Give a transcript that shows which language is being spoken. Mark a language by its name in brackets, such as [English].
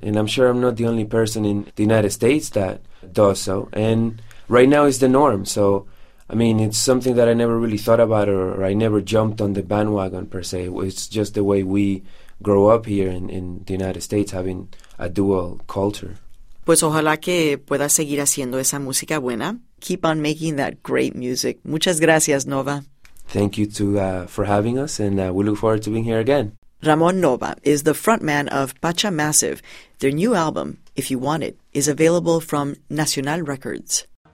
[English] And I'm sure I'm not the only person in the United States that does so. And right now it's the norm. So, I mean, it's something that I never really thought about, or I never jumped on the bandwagon per se. It's just the way we grow up here in the United States, having a dual culture. [Spanish] Pues ojalá que puedas seguir haciendo esa música buena. [English] Keep on making that great music. [Spanish] Muchas gracias, Nova. [English] Thank you for having us, and we look forward to being here again. Ramon Nova is the frontman of Pacha Massive. Their new album, If You Want It, is available from Nacional Records.